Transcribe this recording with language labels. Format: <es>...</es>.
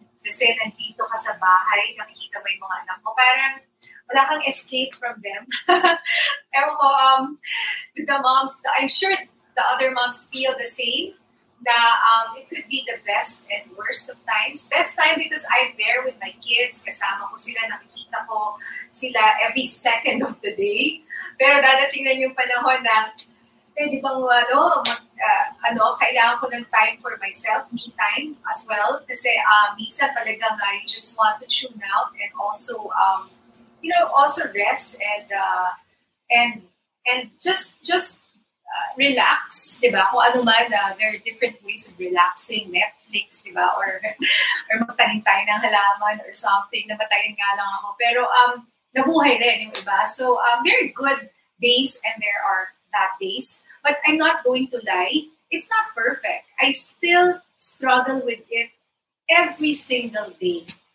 <tl>Kasi nandito ka sa bahay, nakikita mo yung mga anak mo. Parang wala kang</tl> <en>escape from them.</en> <tl>Ewan ko,</tl> <en>the moms, I'm sure the other moms feel the same. Na it could be the best and worst of times. Best time because I'm there with my kids.</en> <tl>Kasama ko sila, nakikita ko sila</tl> <en>every second of the day.</en> <tl>Pero dadating na yung panahon na pwede bang kailangan ko ng</tl> <en>time for myself, me time as well.</en> <tl>Kasi minsan talaga nga,</tl> <en>I just want to tune out and also, also rest and just relax, di ba?</en> <tl>Kung ano man,</tl> <en>there are different ways of relaxing, Netflix, di ba?</en> <tl>Or magtanim tayo ng halaman or something, namatayin nga lang ako. Pero nabuhay rin yung iba.</tl> <en>So very good days and there are bad days. But I'm not going to lie, it's not perfect. I still struggle with it every single day.</en>